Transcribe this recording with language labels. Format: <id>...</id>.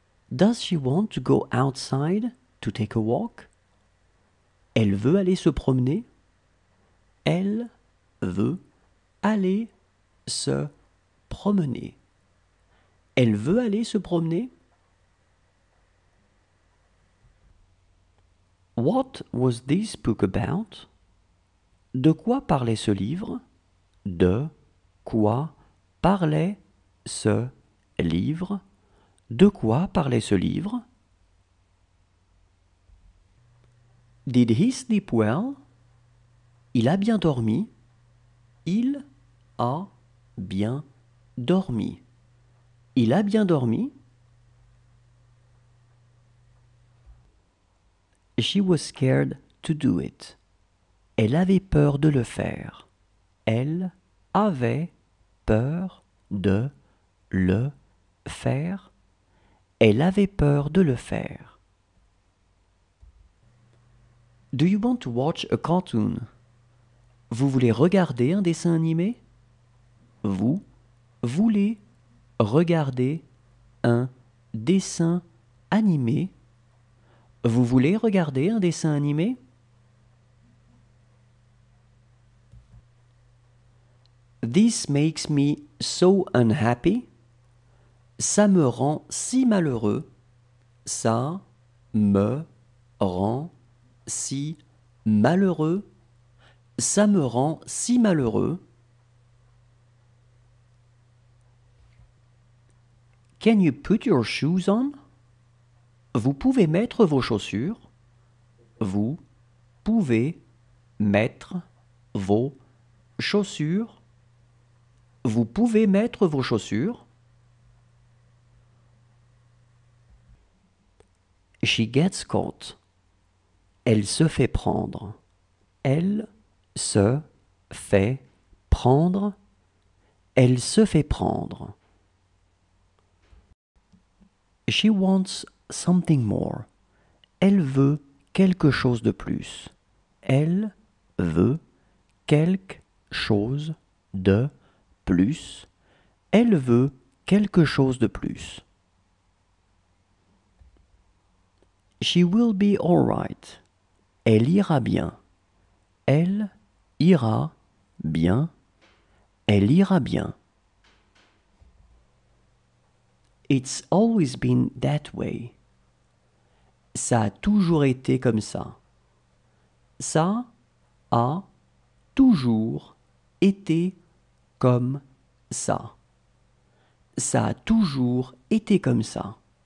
<en>Does she want to go outside to take a walk?</en> <fr>Elle veut aller se promener. Elle veut aller se promener. Elle veut aller se promener.</fr> <en>What was this book about?</en> <fr>De quoi parlait ce livre? De quoi parlait ce livre? De quoi parlait ce livre?</fr> <en>Did he sleep well?</en> <fr>Il a bien dormi. Il a bien dormi. Il a bien dormi.</fr> <en>She was scared to do it.</en> <fr>Elle avait peur de le faire. Elle avait peur de le faire. Elle avait peur de le faire.</fr> <en>Do you want to watch a cartoon?</en> <fr>Vous voulez regarder un dessin animé? Vous voulez regarder un dessin animé? Vous voulez regarder un dessin animé?</fr> <en>This makes me so unhappy.</en> <fr>Ça me rend si malheureux. Ça me rend si malheureux. Ça me rend si malheureux.</fr> <en>Can you put your shoes on?</en> <fr>Vous pouvez mettre vos chaussures. Vous pouvez mettre vos chaussures. Vous pouvez mettre vos chaussures.</fr> <en>She gets caught.</en> <fr>Elle se fait prendre. Elle se fait prendre. Elle se fait prendre.</fr> <en>She wants something more.</en> <fr>Elle veut quelque chose de plus. Elle veut quelque chose de plus. Elle veut quelque chose de plus.</fr> <en>She will be all right.</en> <fr>Elle ira bien. Elle ira bien. Elle ira bien.</fr> <en>It's always been that way.</en> <fr>Ça a toujours été comme ça. Ça a toujours été comme ça. Ça a toujours été comme ça.</fr>